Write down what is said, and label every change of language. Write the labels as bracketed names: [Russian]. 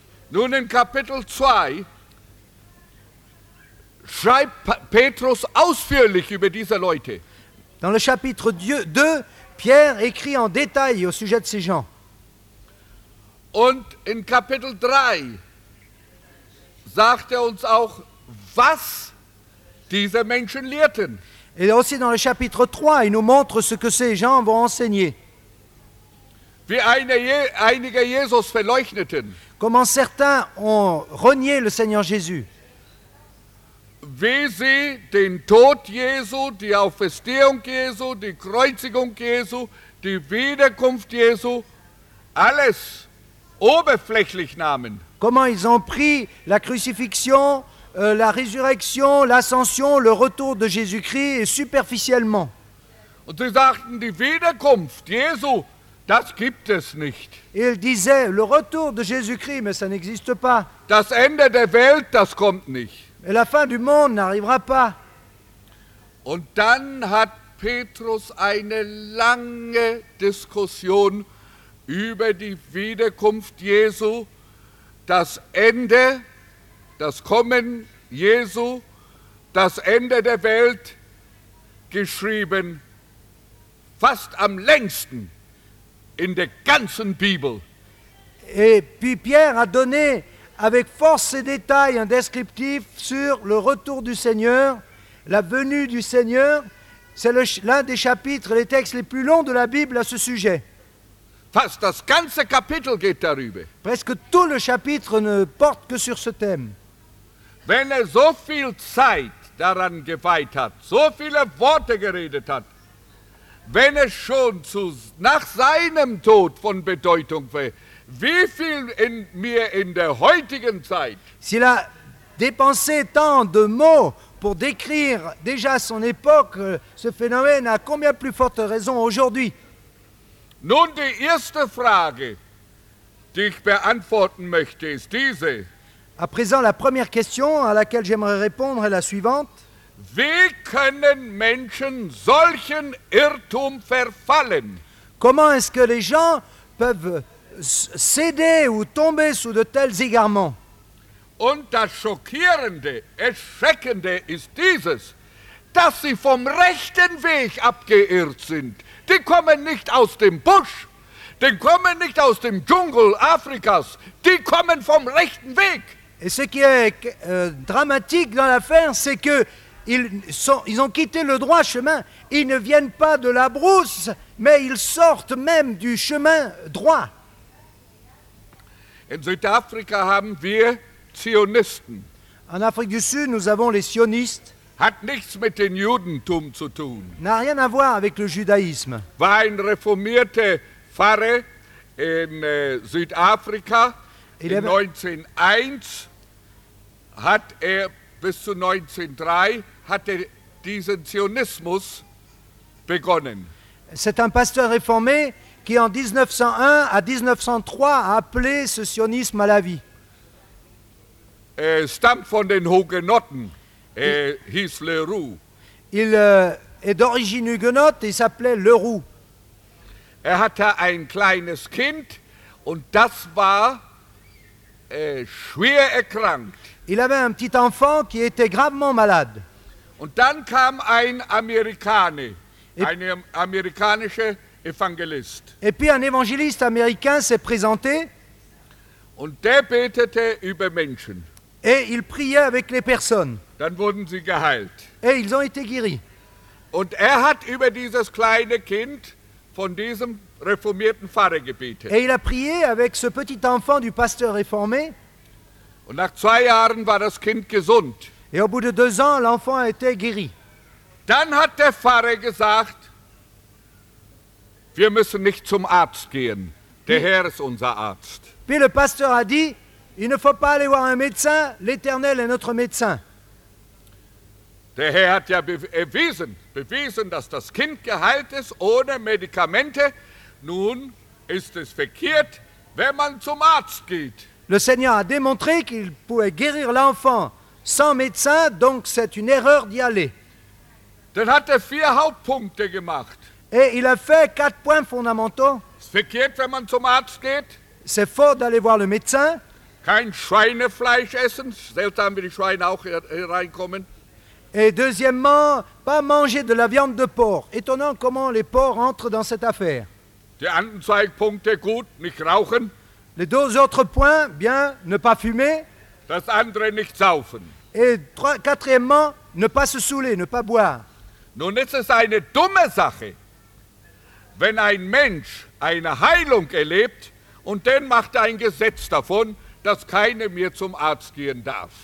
[German] Nun in Kapitel 2 schreibt Petrus ausführlich über diese Leute. [French] Dans le chapitre 2, Pierre écrit en détail au sujet de ces gens. [German] Und in Kapitel 3 sagt uns auch, was diese Menschen lehrten. [French] Et aussi dans le chapitre 3, il nous montre ce que ces gens vont enseigner. [German] Wie einige Jesus verleugneten. [French] Comment certains ont renié le Seigneur Jésus. [German] Wie sie den Tod Jesu, die Auferstehung Jesu, die Kreuzigung Jesu, die Wiederkunft Jesu, alles oberflächlich nahmen. [French] Comment ils ont pris la crucifixion, la résurrection, l'ascension, le retour de Jésus-Christ superficiellement. [German] Und sie sagten, die Wiederkunft Jesu Das gibt es nicht. [French] Il disait le retour de Jésus-Christ, mais ça n'existe pas. [German] Das Ende der Welt, das kommt nicht. [French] Et la fin du monde n'arrivera pas. [German] Und dann hat Petrus eine lange Diskussion über die Wiederkunft Jesu, das Ende, das Kommen Jesu, das Ende der Welt geschrieben, fast am längsten in der ganzen Bibel. [French] Et puis Pierre a donné avec force et détail un descriptif sur le retour du Seigneur, la venue du Seigneur. C'est l'un des chapitres, les textes les plus longs de la Bible à ce sujet. [German] Fast das ganze Kapitel geht darüber. [French] Presque tout le chapitre ne porte que sur ce thème. [German] Wenn er so viel Zeit daran geweiht hat, so viele Worte geredet hat, wenn es schon zu, nach seinem Tod von Bedeutung wäre, wie viel in mir in der heutigen Zeit? [French] S'il a dépensé tant de mots pour décrire déjà son époque, ce phénomène a combien plus forte raison aujourd'hui? [German] Nun, die erste Frage, die ich beantworten möchte, ist diese. [French] À présent, la première question à laquelle j'aimerais répondre est la suivante. [German] Wie können Menschen solchen Irrtum verfallen? [French] Comment est-ce que les gens peuvent céder ou tomber sous de tels égarements? [German] Und das Schockierende, Erschreckende ist dieses, dass sie vom rechten Weg abgeirrt sind. Die kommen nicht aus dem Busch, die kommen nicht aus dem Dschungel Afrikas, die kommen vom rechten Weg. [French] Et ce qui est dramatique dans l'affaire, c'est que ils ont quitté le droit chemin. Ils ne viennent pas de la brousse, mais ils sortent même du chemin droit. [German] In Südafrika haben wir Zionisten. [French] En Afrique du Sud, nous avons les sionistes. [German] Hat nichts mit dem Judentum zu tun. [French] N'a rien à voir avec le judaïsme. [German] War ein reformierter Pfarrer in Südafrika. In 1901 hat er bis zu 1903 hatte diesen Zionismus begonnen. [French] C'est un pasteur réformé qui en 1901 à 1903 a appelé ce sionisme à la vie. [German] Er stammt von den Huguenotten. Er hieß Leroux. [French] Il est d'origine huguenote et s'appelait Leroux. [German] Er hatte ein kleines Kind und das war schwer erkrankt. [French] Il avait un petit enfant qui était gravement malade. [German] Und dann kam ein amerikanischer Evangelist. [French] Et puis un évangéliste américain s'est présenté. [German] Und der betete über Menschen. [French] Et il priait avec les personnes. [German] Dann wurden sie geheilt. [French] Et ils ont été guéris. [German] Und hat über dieses kleine Kind von diesem reformierten Pfarrer gebetet. [French] Et il a prié avec ce petit enfant du pasteur réformé. [German] Und nach zwei Jahren war das Kind gesund. [French] Et au bout de deux ans, l'enfant était guéri. [German] Dann hat der Pfarrer gesagt, wir müssen nicht zum Arzt gehen. Der Herr ist unser Arzt. [French] Puis le pasteur a dit, il ne faut pas aller voir un médecin, l'Éternel est notre médecin. [German] Der Herr hat ja bewiesen, dass das Kind geheilt ist ohne Medikamente. Nun ist es verkehrt, wenn man zum Arzt geht. [French] Le Seigneur a démontré qu'il pouvait guérir l'enfant sans médecin, donc c'est une erreur d'y aller. [German] Dann hat vier Hauptpunkte gemacht. [French] Et il a fait quatre points fondamentaux. [German] Ist verkehrt, wenn man zum Arzt geht. [French] C'est faux d'aller voir le médecin. [German] Kein Schweinefleisch essen, selbst haben wir die Schweine auch hereinkommen. [French] Et deuxièmement, pas manger de la viande de porc. Étonnant comment les porcs entrent dans cette affaire. [German] Die anderen zwei Punkte gut, nicht rauchen. [French] Les deux autres points, bien, ne pas fumer. [German] Das andere nicht saufen. [French] Et quatrièmement, ne pas se saouler, ne pas boire. [German] Nun ist es eine dumme Sache, wenn ein Mensch eine Heilung erlebt und dann macht ein Gesetz davon, dass keiner mehr zum Arzt gehen darf.